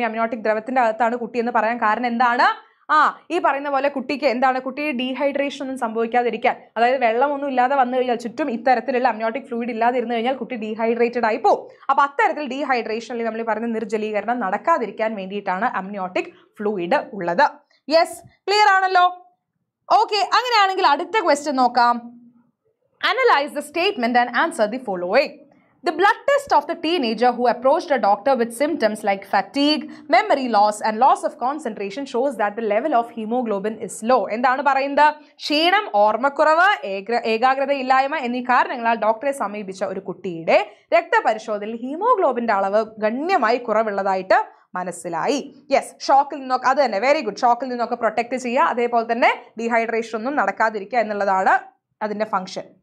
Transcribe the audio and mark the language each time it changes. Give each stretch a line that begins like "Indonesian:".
Malayalam: ഈ അമ്നിയോട്ടിക് ദ്രവത്തിന്റെ അകത്താണ് കുട്ടി എന്ന് പറയാൻ കാരണം എന്താണ്? ആ ഈ പറയുന്ന പോലെ കുട്ടിക്ക് എന്താണ് കുട്ടിയുടെ ഡീഹൈഡ്രേഷൻ ഒന്നും സംഭവിക്കാതിരിക്കാൻ, അതായത് വെള്ളമൊന്നും ഇല്ലാതെ വന്നു കഴിഞ്ഞാൽ ചുറ്റും ഇത്തരത്തിലുള്ള അമ്നിയോട്ടിക് ഫ്ലൂയിഡ് ഇല്ലാതെ ഇരുന്നു കഴിഞ്ഞാൽ കുട്ടി ഡീഹൈഡ്രേറ്റഡ് ആയി പോകും. അപ്പോൾ അത്തരത്തിൽ ഡീഹൈഡ്രേഷൻ അല്ലെങ്കിൽ നമ്മൾ പറയുന്ന നിർജ്ജലീകരണം നടക്കാതിരിക്കാൻ വേണ്ടിയിട്ടാണ് അമ്നിയോട്ടിക് ഫ്ലൂയിഡ് ഉള്ളത്. യെസ്, ക്ലിയർ ആണല്ലോ. ഓക്കെ, അങ്ങനെയാണെങ്കിൽ അടുത്ത ക്വസ്റ്റ്യൻ നോക്കാം.
English: Analyze the statement and answer the following. The blood test of the teenager who approached a doctor with symptoms like fatigue, memory loss and loss of concentration shows that the level of hemoglobin is low.
Malayalam: എന്താണ് പറയുന്നത്? ക്ഷീണം, ഓർമ്മക്കുറവ്, ഏകാഗ്രതയില്ലായ്മ എന്നീ കാരണങ്ങളാൽ ഡോക്ടറെ സമീപിച്ച ഒരു കുട്ടിയുടെ രക്തപരിശോധനയിൽ ഹീമോഗ്ലോബിൻ്റെ അളവ് ഗണ്യമായി കുറവുള്ളതായിട്ട് മനസ്സിലായി. യെസ്, ഷോക്കിൽ നിന്നൊക്കെ, അത് തന്നെ, വെരി ഗുഡ്, ഷോക്കിൽ നിന്നൊക്കെ പ്രൊട്ടക്ട് ചെയ്യുക, അതേപോലെ തന്നെ ഡീഹൈഡ്രേഷൻ ഒന്നും നടക്കാതിരിക്കുക എന്നുള്ളതാണ് അതിന്റെ ഫംഗ്ഷൻ.